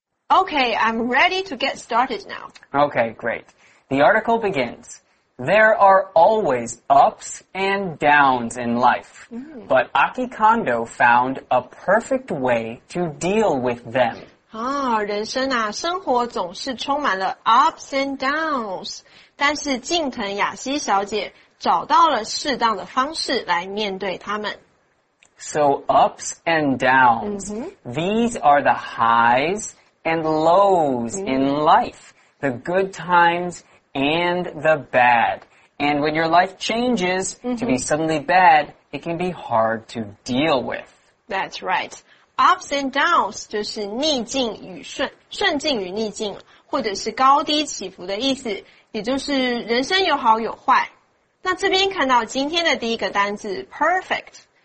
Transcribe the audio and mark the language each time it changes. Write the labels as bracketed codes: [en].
[en] Okay, I'm ready to get started now. Okay, great. The article begins. There are always ups and downs in life, but Aki Kondo found a perfect way to deal with them. [zh] 啊，人生啊，生活总是充满了 ups and downs. 但是近藤雅希小姐找到了适当的方式来面对他们。 [en] So ups and downs,these are the highs,and lows in life, the good times and the bad. And when your life changes to be suddenly bad, it can be hard to deal with. That's right. [zh] Ups and downs 就是逆境与顺境与逆境，或者是高低起伏的意思，也就是人生有好有坏。那这边看到今天的第一个单字 perfect.